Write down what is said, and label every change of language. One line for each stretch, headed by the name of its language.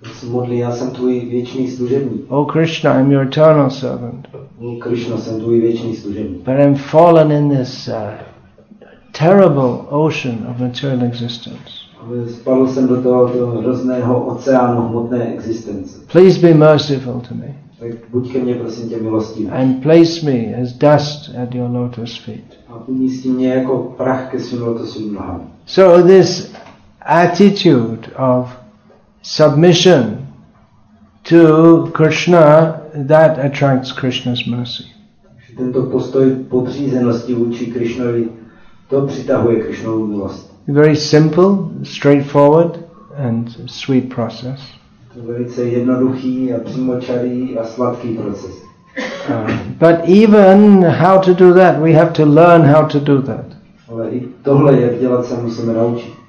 Czech: Modlí, já jsem tvůj věčný služebník.
English: O Krishna, I'm your eternal servant.
Czech: Krishna, jsem tvůj věčný služebník.
English: But I'm fallen in this terrible ocean of material existence.
Czech: Spadl jsem do toho hrozného oceánu hmotné existence.
English: Please be merciful to me.
Czech: Tak buď ke mně, prosím tě, milostivý.
English: And place me as dust at your lotus feet.
Czech: A umístí mě jako prach ke svým lotosovým nohám.
English: So this attitude of submission to Krishna, that attracts Krishna's mercy.
Czech: Tento postoj podřízenosti vůči Krishnovi, to přitahuje Krishnovu milost.
English: Very simple, straightforward and sweet process.
Czech: Velice jednoduchý a přímočarý a sladký proces.
English: But even how to do that, we have to learn how to do that.
Czech: Ale i tohle, jak dělat, se musíme naučit.